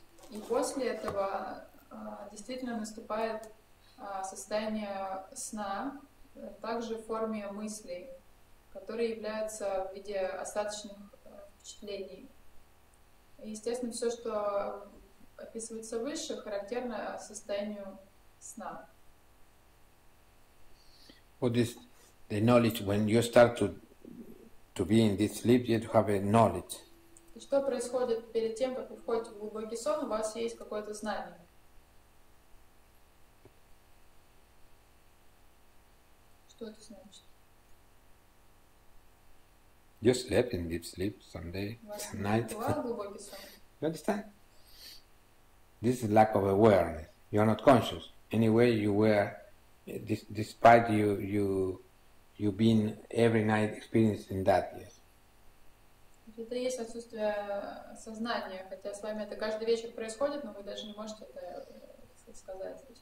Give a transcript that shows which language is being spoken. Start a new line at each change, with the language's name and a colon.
Russian: И после этого действительно наступает состояние сна, также в форме мыслей, которые являются в виде остаточных впечатлений. И, естественно, все, что описывается выше, характерно состоянию сна.
English: What is the knowledge when you start to be in this sleep? You have a knowledge.
Russian: Что происходит перед тем, как вы входите в глубокий сон? У вас есть какое-то знание? Что это значит?
English: You slept in deep sleep someday, night. You understand? This is lack of awareness. You are not conscious. Anyway, you were, despite you been every night experiencing that. Yes.
Russian: Это есть отсутствие сознания, хотя с вами это каждый вечер происходит, но вы даже не можете это сказать.